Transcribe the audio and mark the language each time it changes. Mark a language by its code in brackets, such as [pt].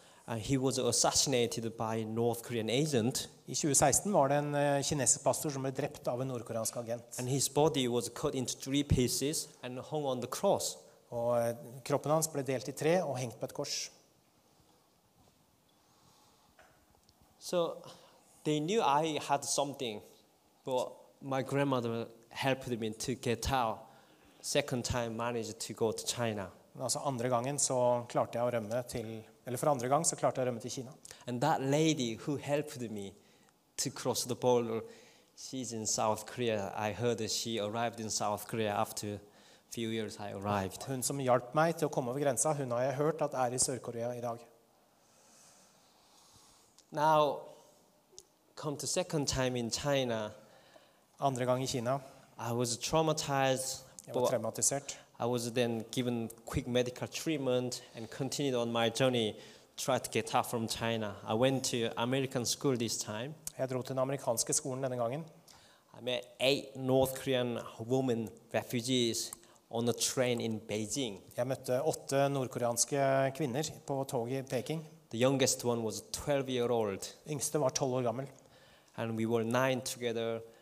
[en] He was assassinated by a North Korean agent. [no] I 2016 var det en kinesisk pastor som ble drept av en nordkoreansk agent. [en] And his body was cut into three pieces and hung on the cross. [no] Og kroppen hans ble delt I tre og hengt på et kors. [en] So they knew I had something, but my grandmother helped me to get out. Second time managed to go to China. [no] Altså andre gangen så klarte jeg å rømme til eller for andre gang så klarte jeg å rømme til Kina. [en] And that lady who helped me to cross the border, she's in South Korea. I heard that she arrived in South Korea after a few years I arrived. [no] Hun som hjalp meg til å komme over grensa, hun har jeg hørt at I Sør-Korea I dag. [en] Now come to second time in China. [no] Andre gang I Kina. [en] I was traumatized. [no] Jeg var traumatisert. [en] I was then given quick medical treatment and continued on my journey, tried to get out from China. I went to American school this time. [no] Jeg dro til den amerikanske skolen denne gangen. [en] I met 8 North Korean women refugees on a train in Beijing. [no] Jeg møtte 8 nordkoreanske kvinner på tog I Peking. [en] The youngest one was 12 year old. [no] Yngste var 12 år gammel. [en] And we were 9 together.